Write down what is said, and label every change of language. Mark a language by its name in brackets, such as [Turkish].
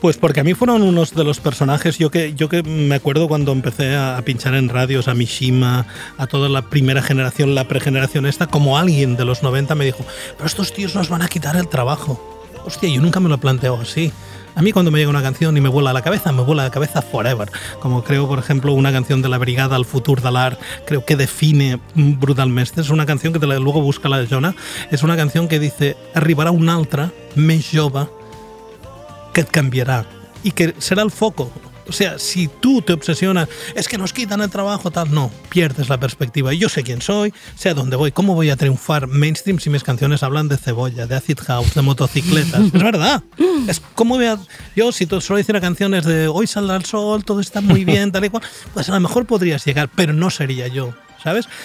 [Spanish] Pues porque a mí fueron unos de los personajes, yo que me acuerdo cuando empecé a pinchar en radios, a Mishima, a toda la primera generación, la pregeneración esta, como alguien de los 90 me dijo, pero estos tíos nos van a quitar el trabajo. Hostia, yo nunca me lo he planteado así. A mí cuando me llega una canción y me vuela la cabeza forever. Como creo, por ejemplo, una canción de La Brigada, El Futur de l'Art, creo que define brutalmente. Es una canción que luego busca la Jona. Es una canción que dice, [Catalan] arribarà una altra més jove que et canviarà i que serà el foco. [Spanish] O sea, si tú te obsesionas, es que nos quitan el trabajo, tal, no, pierdes la perspectiva. Yo sé quién soy, sé a dónde voy, cómo voy a triunfar mainstream si mis canciones hablan de cebolla, de acid house, de motocicletas. Es verdad. Es como yo, si tú solo hiciera canciones de hoy saldrá el sol, todo está muy bien, tal y cual, pues a lo mejor podrías llegar, pero no sería yo. ¿sabes?